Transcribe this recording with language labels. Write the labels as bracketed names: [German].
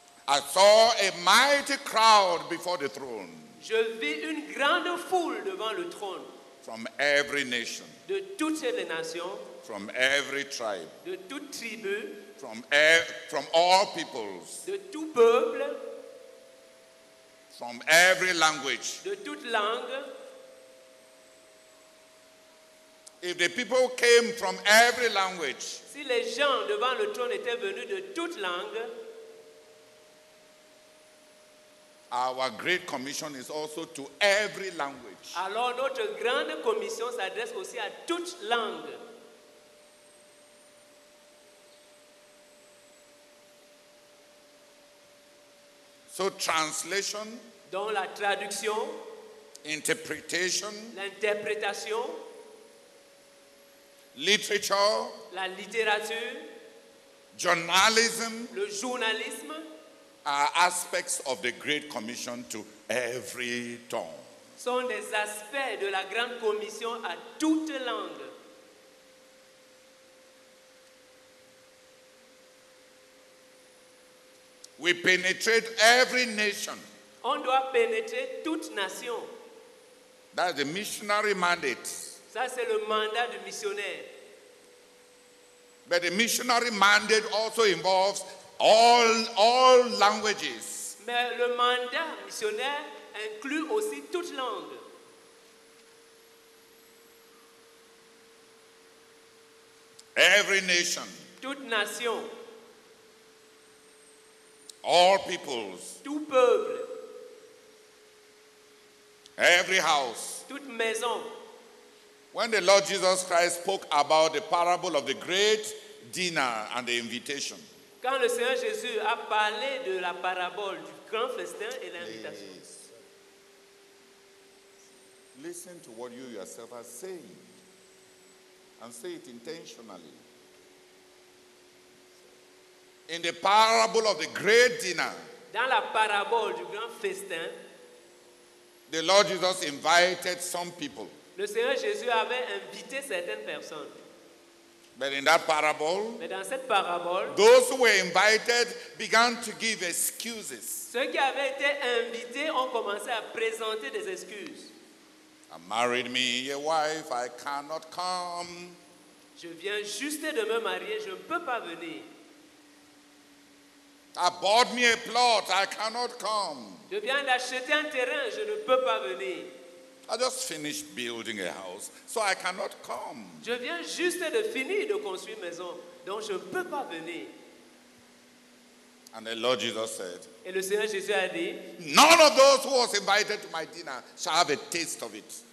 [English] I saw a mighty crowd before the throne. [French] Je vis une grande foule devant le trône. [English] From every nation. [French] De toutes les nations. [English] From every tribe. [French] De toute tribu. [English] From all peoples. [French] De tout peuple. [English] From every language. [French] De toute langue. [English] If the people came from every language, [French] si les gens devant le trône étaient venus de toute langue, [English] our great commission is also to every language. [French] Alors notre grande commission s'adresse aussi à toute langue. [English] So translation, [French] dans la traduction, [English] interpretation, [French] l'interprétation. [English] Literature, [French] la littérature, [English] journalism, [French] le journalisme, [English] are aspects of the Great Commission to every tongue. [French] Sont des aspects de la Grande Commission à toute langue. [English] We penetrate every nation. [French] On doit pénétrer toute nation. [English] That's the missionary mandate. [French] Ça, c'est le mandat du missionnaire. [English] But the missionary mandate also involves all languages. [French] Mais le mandat missionnaire inclut aussi toute langue. [English] Every nation. [French] Toute nation. [English] All peoples. [French] Tout peuple. [English] Every house. [French] Toute maison. [English] When the Lord Jesus Christ spoke about the parable of the great dinner and the invitation. [French] Quand le Seigneur Jésus a parlé de la parabole du grand festin et l'invitation. [English] Please. Listen to what you yourself are saying and say it intentionally. In the parable of the great dinner, [French] dans la parabole du grand festin, [English] the Lord Jesus invited some people. [French] Le Seigneur Jésus avait invité certaines personnes. [English] But in that parable, [French] mais dans cette parabole, [English] those who were invited began to give excuses. [French] Ceux qui avaient été invités ont commencé à présenter des excuses. [English] I married me a wife, I cannot come. [French] Je viens juste de me marier, je ne peux pas venir. [English] I bought me a plot, I cannot come. [French] Je viens d'acheter un terrain, je ne peux pas venir. [English] I just finished building a house, so I cannot come. [French] Je viens juste de finir de construire une maison, donc je ne peux pas venir. [English] And the Lord Jesus said, [French] et le Seigneur Jésus a dit, [English] none of those who was invited to my dinner shall have a taste of it.